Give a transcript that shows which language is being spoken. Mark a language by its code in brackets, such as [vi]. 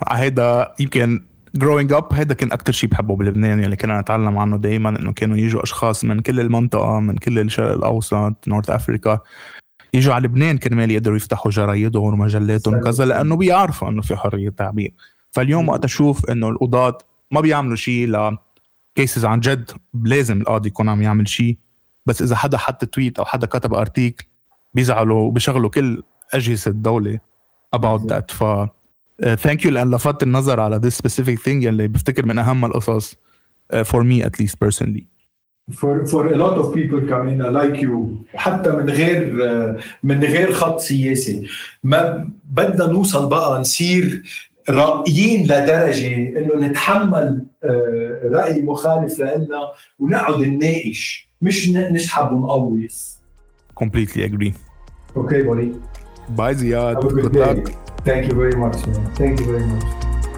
[ar] هيدا يمكن جروينج اب هيدا كان اكثر شيء بحبه بلبنان, يعني كنا نتعلم عنه دائما انه كانوا يجوا اشخاص من كل المنطقه من كل الشرق الاوسط نورث افريكا يجوا على لبنان كرمال يقدروا يفتحوا جرايدهم ومجلاتهم وكذا, لانه بيعرفوا انه في حريه تعبير. فاليوم وقت اشوف انه القضاة ما بيعملوا شيء لكيسز عن جد لازم القاضي يكون عم يعمل شيء, بس اذا حدا حط تويت او حدا كتب ارتيكل بيزعلوا وبيشغلوا كل أجهزة الدولة about that. [en] Thank you لأن لفت النظر على this specific thing يلي بفتكر من أهم القصص for me at least personally. [ar] For a lot of people coming like you, حتى من غير خط سياسي, ما بدنا نوصل بقى نصير رأيين لدرجة إنه نتحمل رأي مخالف لنا ونقعد نناقش مش نسحب ونقوص. [en] Completely agree. Okay, buddy. Bye, Ziad. Have a good day. Thank you very much, man. Thank you very much.